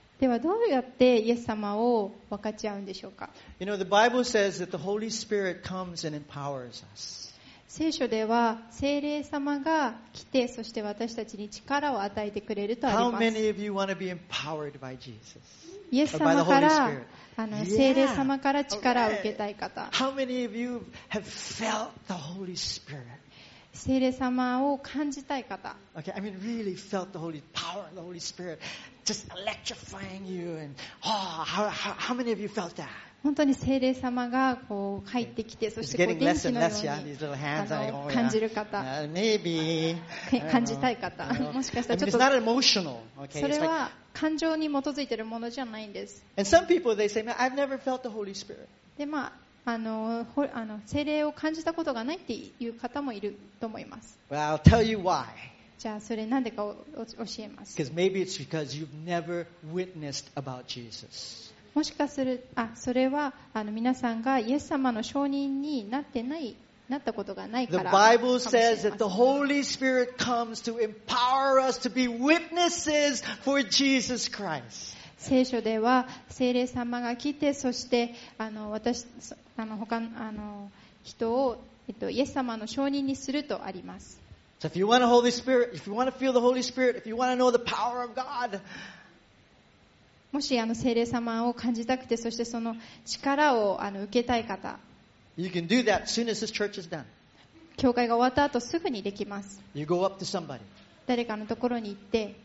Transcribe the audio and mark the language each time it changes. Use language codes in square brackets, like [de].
[ja] ではどうやってイエス様を分かち合うんでしょうか。 [en] You know, the Bible says that the Holy Spirit comes and empowers us. [ja] 聖書では聖霊様が来てそして私たちに力を与えてくれるとあります。 [en] How many of you want to be empowered by Jesus? [ja] イエス様からあの聖霊様から力を受けたい方。 [en] How many of you have felt the Holy Spirit? [ja] 聖霊様を感じたい方。 [en] Okay, I mean really felt the Holy Power, the Holy Spirit just electrifying you and how many of you felt that? [ja] 本当に聖霊様がこう入ってきて、そしてこう電気のように less less,、yeah? hands, あの like, oh, yeah. 感じる方。 [en] Maybe [ja] 感じたい方。もしかしたらちょっと。 [en] It's not emotional. Okay. [ja] それは感情に基づいているものじゃないんです。 [en] And some people they say, I've never felt the Holy Spirit. [ja] でまあ。あの聖霊を感じたことがないっていう方もいると思います。 [en] Well, I'll tell you why. [ja] じゃあそれなんでか教えます。 [en] Because maybe it's because you've never witnessed about Jesus. [ja] もしかするあそれはあの皆さんがイエス様の証人になってないなったことがないから。 [en] The Bible says that the Holy Spirit comes to empower us to be witnesses for Jesus Christ. [ja] 聖書では聖霊様が来て、そして私他の人をイエス様の証人にするとあります。 [en] So if you want the Holy Spirit, if you want to feel the Holy Spirit, if you want to know the power of God, [ja] もし聖霊様を感じたくて、そしてその力を受けたい方、 [en] you can do that as soon as this church is done. [ja] 教会が終わった後すぐにできます。 [en] You go up to somebody. [ja] 誰かのところに行って、